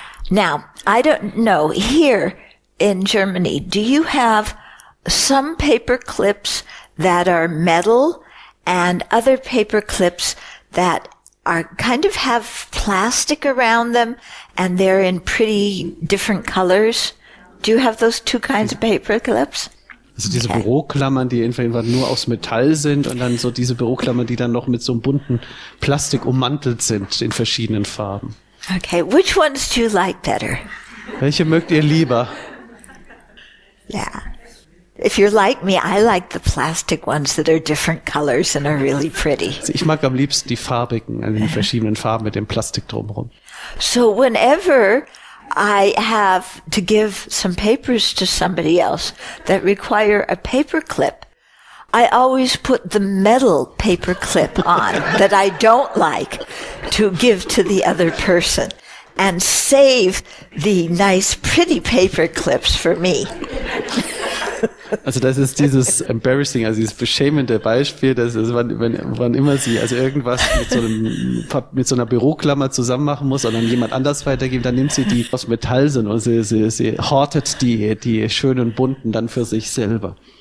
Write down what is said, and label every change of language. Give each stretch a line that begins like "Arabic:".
English: Now, I don't know, here in Germany, do you have some paper clips that are metal and other paper clips that are kind of have plastic around them and they're in pretty different colors? Do you have those two kinds of paper clips?
German: Also diese Büroklammern, die einfach nur aus Metall sind und dann so diese Büroklammern, die dann noch mit so einem bunten Plastik ummantelt sind in verschiedenen Farben.
English: Okay, which ones do you like better?
German: Welche mögt ihr lieber?
English: Yeah. If you're like me, I like the plastic ones that are different colors and are really pretty.
German: Also ich mag am liebsten die farbigen, also die verschiedenen Farben mit dem Plastik drumherum.
English: So whenever I have to give some papers to somebody else that require a paper clip, I always put the metal paper clip on that I don't like to give to the other person and save the nice, pretty paper clips for me.
German: Also das ist dieses embarrassing, also dieses beschämende Beispiel, dass es, wann immer sie also irgendwas mit so einer Büroklammer zusammen machen muss und dann jemand anders weitergeben, dann nimmt sie die aus Metall sind und sie hortet die schönen bunten dann für sich selber.